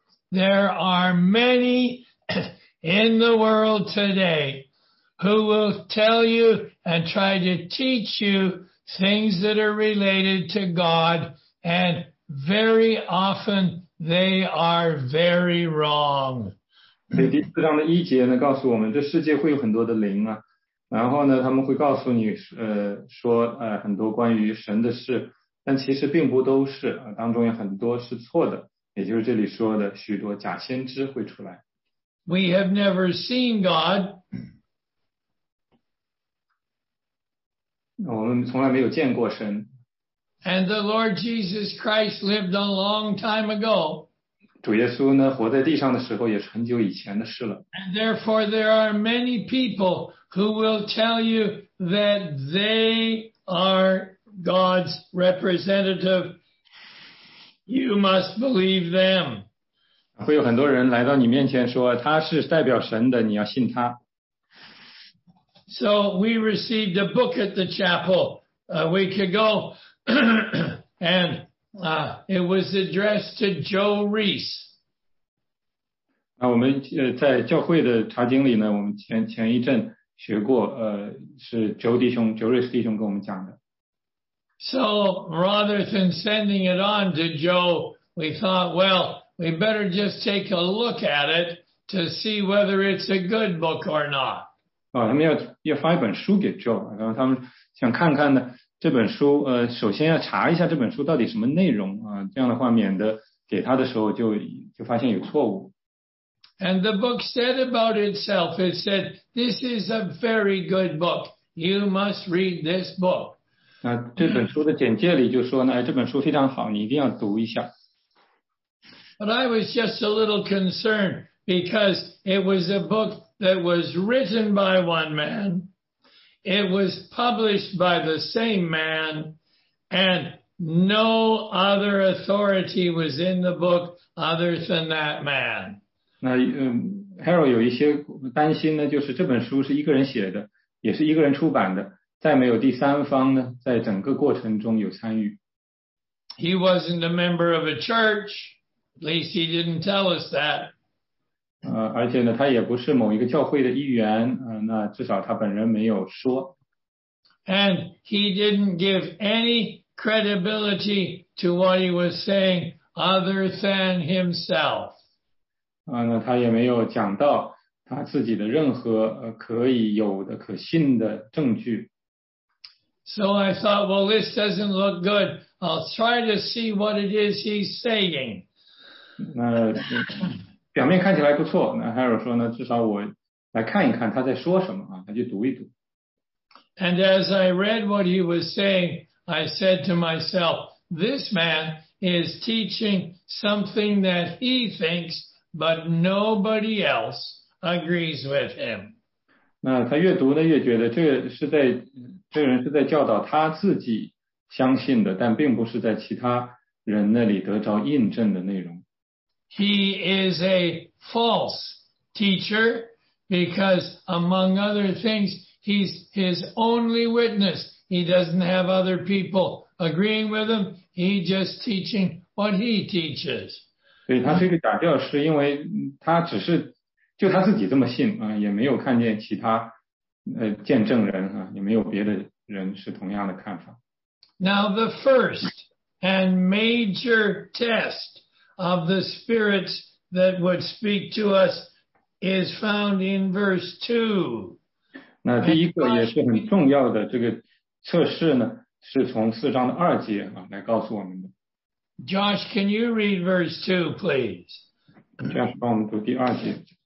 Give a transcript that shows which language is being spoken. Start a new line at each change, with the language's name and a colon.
English: There are many in the world today who will tell you and try to teach you things that are related to God, and very often they are very wrong.
Chinese: 所以第四章的一节呢，告诉我们这世界会有很多的灵啊，然后呢，他们会告诉你，说很多关于神的事，但其实并不都是啊，当中有很多是错的，也就是这里说的许多假先知会出来。
English: We have never seen God.
Chinese: 我们从来没有见过神。
English: And the Lord Jesus Christ lived a long time ago.
Chinese: 主耶稣呢，活在地上的时候也是很久以前的事了。
English: And therefore there are many people who will tell you that they are God's representative. You must believe them.
Chinese: 会有很多人来到你面前说，他是代表神的，你要信他。
English: So we received a book at the chapel a week ago. And it was addressed to Joe Reese.
Chinese: 那我们在教会的查经里呢，我们前一阵学过，是Joe Reese弟兄跟我们讲的。
English: So rather than sending it on to Joe, we thought, well, we better just take a look at it to see whether it's a good book or not.
Chinese: 哦，他们要发一本书给 Joe， 然后他们想看看呢。这本书首先要查一下这本书到底什么内容啊，这样的话免得给他的时候就发现有错误。
English: And the book said about itself, it said, this is a very good book. You must read this book.
Chinese: 那这本书的简介里就说呢，哎，这本书非常好，你一定要读一下。
English: But I was just a little concerned because it was a book that was written by one man. It was published by the same man, and no other authority was in the book other than that man.
Chinese: 那Harold 有一些担心呢，就是这本书是一个人写的，也是一个人出版的，再没有第三方呢，在整个过程中有参与。
English: He wasn't a member of a church, at least he didn't tell us that.
Chinese: 而且呢，他也不是某一个教会的一员，那至少他本人没有说。
English: And he didn't give any credibility to what he was saying other than himself.
Chinese: 那他也没有讲到他自己的任何可以有的可信的证据。
English: So I thought, well, this doesn't look good. I'll try to see what it is he's saying.
Chinese: 那表面看起来不错，那 Harold 说呢，至少我来看一看他在说什么啊，他就读一读。
English: And as I read what he was saying, I said to myself, this man is teaching something that he thinks, but nobody else agrees with him.
Chinese: 那他越读呢，越觉得这人是在教导他自己相信的，但并不是在其他人那里得着印证的内容。
English: He is a false teacher because among other things, he's his only witness. He doesn't have other people agreeing with him. He's just teaching what he teaches.
Chinese: 对，他是一个假教师，因为他只是就他自己这么信，也没有看见其他见证人，也没有别的人是同样的看法。
English: Now the first and major test of the spirits that would speak to us is found in verse 2.
Chinese: 那第一个也是很重要的这个测试呢，是从四章的二节来告诉我们的。
English: Josh, can you read verse 2, please?
Chinese: Josh, 帮我们读第二节。